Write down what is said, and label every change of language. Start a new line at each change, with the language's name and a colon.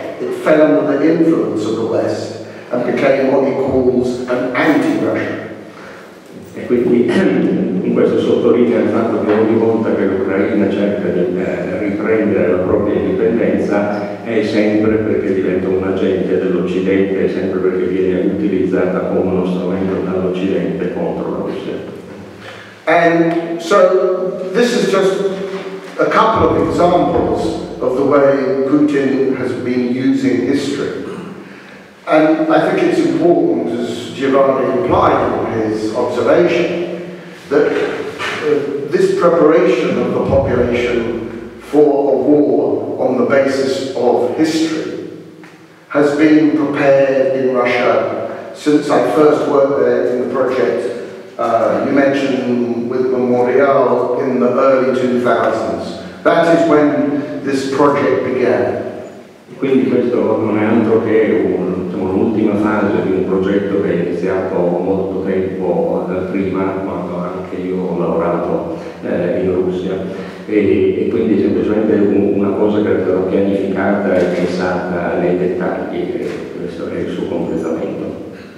English: It fell under the influence of the West and became what he calls an anti-Russian.
Italian: E quindi in questo sottolinea il fatto che ogni volta che l'Ucraina cerca di riprendere la propria indipendenza è sempre perché diventa un agente dell'Occidente. dell'Occidente, sempre perché viene utilizzata come uno strumento dall'Occidente contro la Russia.
English: And so this is just a couple of examples of the way Putin has been using history. And I think it's important, as Giovanni implied in his observation, that this preparation of the population for a war on the basis of history has been prepared in Russia since I first worked there in the project you mentioned with Memorial in the early 2000s. That is when this project began.
Italian: Quindi questo non è altro che un'ultima fase di un progetto che è iniziato molto tempo prima, quando anche io ho lavorato in Russia. E quindi semplicemente una cosa che era pianificata e pensata nei dettagli, questo è il suo completamento.